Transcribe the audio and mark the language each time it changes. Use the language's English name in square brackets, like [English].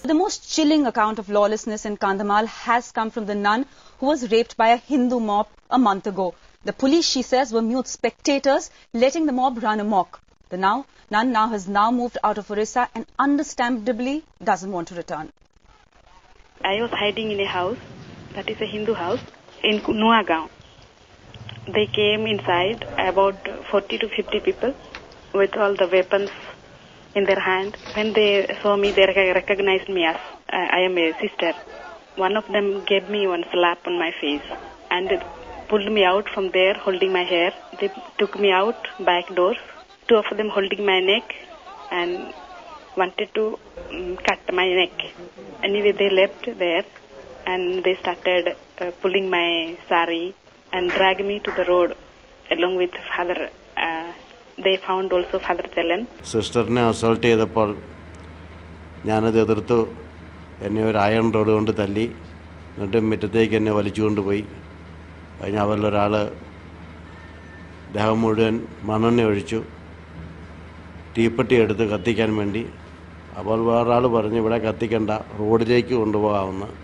[English] The most chilling account of lawlessness in Kandhamal has come from the nun who was raped by a Hindu mob a month ago the police she says were mute spectators letting the mob run amok the now nun now has now moved out of Orissa and understandably doesn't want to return I was hiding in a house that is a Hindu house in Noagaon They came inside, about 40 to 50 people, with all the weapons in their hand. When they saw me, they recognized me as I am a sister. One of them gave me one slap on my face and pulled me out from there, holding my hair. They took me out back door, two of them holding my neck and wanted to cut my neck. Anyway, they left there and they started pulling my sari. And drag me to the road along with father they found also father Chellan [Malayalam] sister ne assault cheyappol nane edirthu എന്നെ ഒരു iron road കൊണ്ട് തല്ലി എന്നിട്ട് മുറ്റത്തേക്ക് എന്നെ വലിച്ചുകൊണ്ടുപോയി. കഴിഞ്ഞ അവരിലൊരാൾ ദേഹം മുഴുവൻ മണ്ണെണ്ണ ഒഴിച്ചു തീപ്പെട്ടിയെടുത്ത് കത്തിക്കാൻ വേണ്ടി. അപ്പോൾ വേറൊരാൾ പറഞ്ഞു ഇവിടെ കത്തിക്കണ്ട, റോഡിലേക്ക് കൊണ്ടുപോകാമെന്ന്.